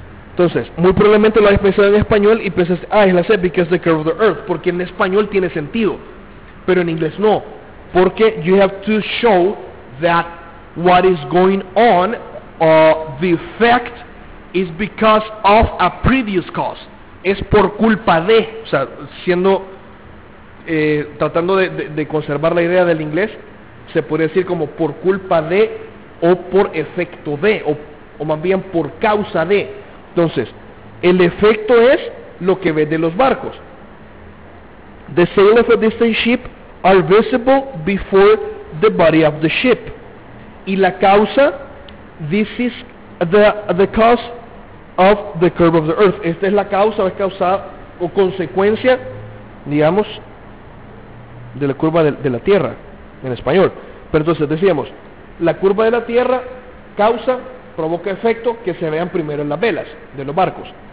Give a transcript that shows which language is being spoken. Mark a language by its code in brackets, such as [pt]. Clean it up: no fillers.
[es] Entonces, muy probablemente lo hayas pensado en español y piensas, es la C, [en] because the curve of the earth, [es] porque en español tiene sentido, pero en inglés no, porque [en] you have to show that what is going on, the effect is because of a previous cause, [es] es por culpa de, o sea, siendo, tratando de conservar la idea del inglés, se podría decir como por culpa de o por efecto de o más bien por causa de. Entonces, el efecto es lo que ves de los barcos. [en] The sails of a distant ship are visible before the body of the ship. [es] Y la causa, [en] this is the cause of the curve of the earth. [es] Esta es la causa o es causa o consecuencia, digamos, de la curva de la Tierra. En español. Pero entonces decíamos, la curva de la Tierra causa, provoca efecto, que se vean primero en las velas de los barcos.